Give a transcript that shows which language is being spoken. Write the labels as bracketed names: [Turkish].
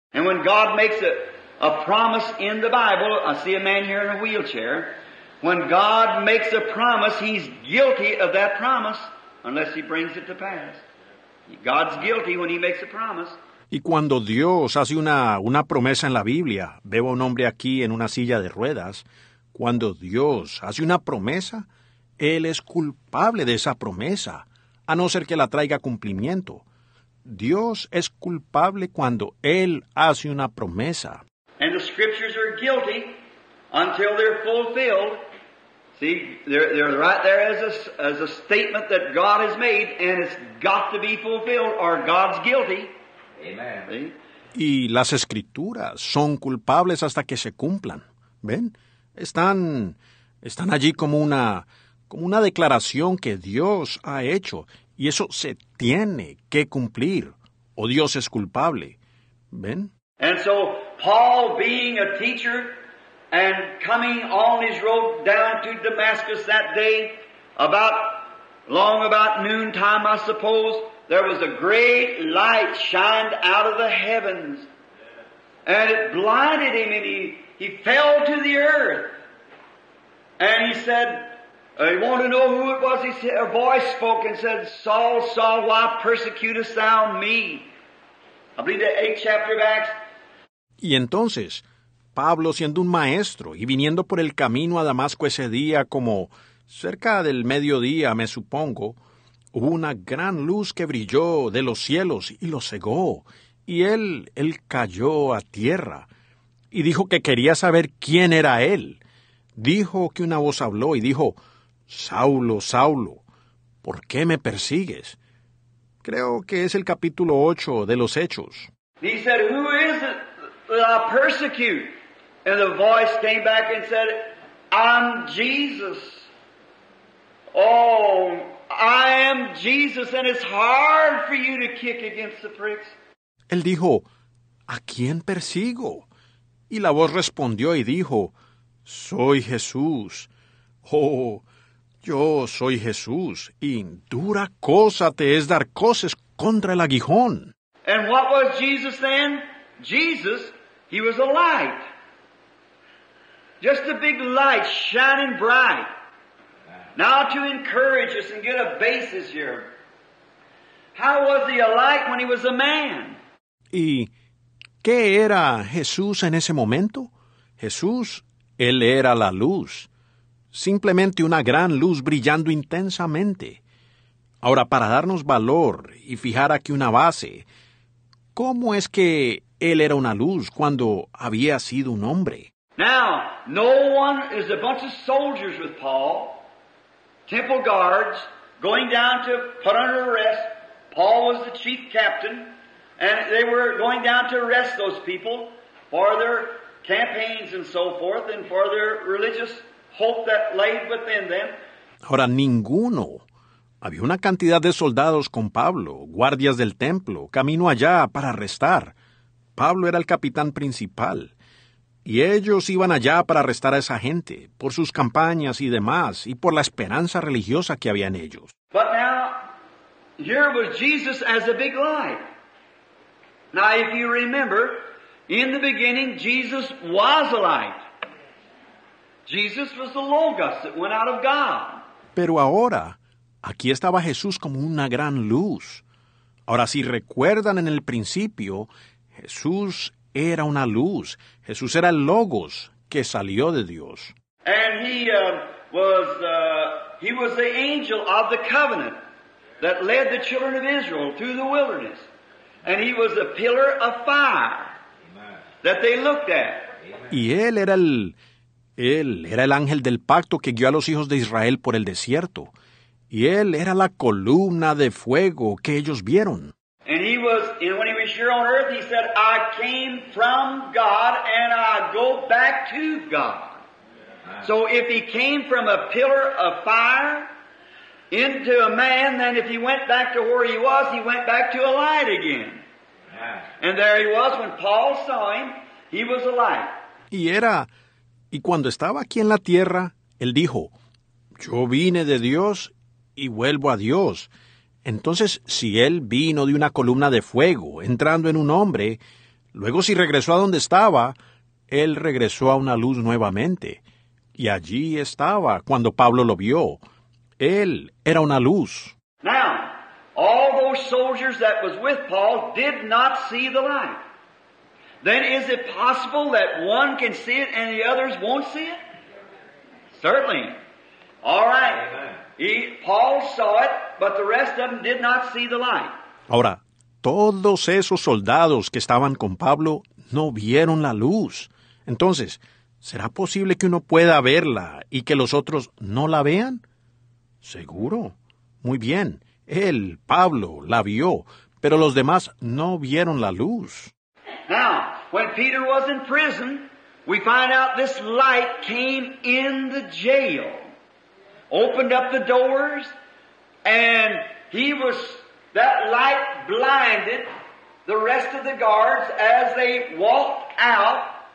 [English] And when God makes a promise in the Bible, I see a man here in a wheelchair. When God makes a promise, he's guilty of that promise unless he brings it to pass. God's guilty when he makes a promise. [Spanish] Y cuando Dios hace una promesa en la Biblia, veo a un hombre aquí en una silla de ruedas, cuando Dios hace una promesa, él es culpable de esa promesa, a no ser que la traiga a cumplimiento. Dios es culpable cuando él hace una promesa. [English] And the scriptures are guilty until they're fulfilled. See, they're right there as a statement that God has made, and it's got to be fulfilled, or God's guilty. Amen. [Spanish] Y las escrituras son culpables hasta que se cumplan. ¿Ven? Están allí como una declaración que Dios ha hecho. Y eso se tiene que cumplir. O Dios es culpable. ¿Ven? [English] And so Paul, being a teacher and coming on his road down to Damascus that day, about noontime, I suppose, there was a great light shined out of the heavens, and it blinded him, and he fell to the earth. And he said, he wanted to know who it was. He said, a voice spoke and said, Saul, Saul, why persecutest thou me? I believe the 8th chapter of Acts. [Spanish] Y entonces, Pablo, siendo un maestro y viniendo por el camino a Damasco ese día, como cerca del mediodía, me supongo, hubo una gran luz que brilló de los cielos y lo cegó, y él cayó a tierra y dijo que quería saber quién era él. Dijo que una voz habló y dijo, Saulo, Saulo, ¿por qué me persigues? Creo que es el capítulo 8 de los Hechos. [English] He said, who is it that I persecute? And the voice came back and said, I'm Jesus. Oh, I am Jesus, and it's hard for you to kick against the pricks. [Spanish] Él dijo, ¿a quién persigo? Y la voz respondió y dijo, soy Jesús. Oh, yo soy Jesús, y dura cosa te es dar coces contra el aguijón. [English] And what was Jesus then? Jesus, he was a light. Just a big light shining bright. Now to encourage us and get a basis here. How was he a light when he was a man? [Spanish] ¿Y qué era Jesús en ese momento? Jesús, él era la luz. Simplemente una gran luz brillando intensamente. Ahora, para darnos valor y fijar aquí una base, ¿cómo es que él era una luz cuando había sido un hombre? [English] Now, no one is a bunch of soldiers with Paul. Temple guards going down to put under arrest. Paul was the chief captain, and they were going down to arrest those people for their campaigns and so forth, and for their religious hope that lay within them. [Spanish] Ahora, ninguno. Había una cantidad de soldados con Pablo, guardias del templo, camino allá para arrestar. Pablo era el capitán principal. Y ellos iban allá para arrestar a esa gente, por sus campañas y demás, y por la esperanza religiosa que había en ellos. [English] But now, here was Jesus as a big light. Now, if you remember, in the beginning, Jesus was a light. Jesus was the Logos that went out of God. [Spanish] Pero ahora, aquí estaba Jesús como una gran luz. Ahora, si recuerdan, en el principio, Jesús era una luz. Jesús era el Logos que salió de Dios. [English] And he was the angel of the covenant that led the children of Israel through the wilderness. And he was a pillar of fire that they looked at. [Spanish] Y él era el ángel del pacto que guió a los hijos de Israel por el desierto. Y él era la columna de fuego que ellos vieron. [English] And he was, and when he was here on earth, he said, I came from God and I go back to God. So if he came from a pillar of fire into a man, then if he went back to where he was, he went back to a light again. And there he was when Paul saw him, he was a light. [Spanish] Y cuando estaba aquí en la tierra, él dijo, yo vine de Dios y vuelvo a Dios. Entonces, si él vino de una columna de fuego, entrando en un hombre, luego si regresó a donde estaba, él regresó a una luz nuevamente. Y allí estaba cuando Pablo lo vio. Él era una luz. [English] Now, all those soldiers that was with Paul did not see the light. Then is it possible that one can see it and the others won't see it? Certainly. All right. Paul saw it, but the rest of them did not see the light. [Spanish] Ahora, todos esos soldados que estaban con Pablo no vieron la luz. Entonces, ¿será posible que uno pueda verla y que los otros no la vean? Seguro. Muy bien. Él, Pablo, la vio, pero los demás no vieron la luz. [English] Now, when Peter was in prison, we find out this light came in the jail, opened up the doors, and that light blinded the rest of the guards as they walked out.